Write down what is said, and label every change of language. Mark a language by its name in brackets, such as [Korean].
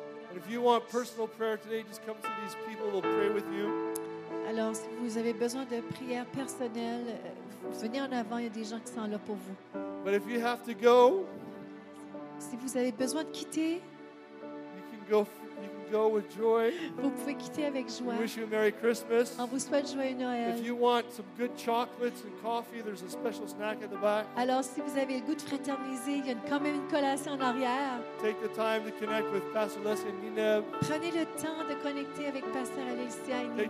[English] And if you want personal prayer today, just come to these people. They'll pray with you. [French] Alors, si vous avez besoin de prière personnelle, venez en avant. Il y a des gens qui sont là pour vous. [English] But if you have to go, [French] si vous avez besoin de quitter, [English] you can go with joy. [French] Vous pouvez quitter avec joie. [English] We wish you a Merry Christmas. [French] On vous souhaite joyeux Noël. [English] If you want some good chocolates and coffee, there's a special snack at the back. [French] Alors, si vous avez le goût de fraterniser, il y a quand même une collation en arrière. [English] Take the time to connect with Pastor Leslie and Nineb. [French] Prenez le temps de connecter avec Pasteur Alicia et Nineb.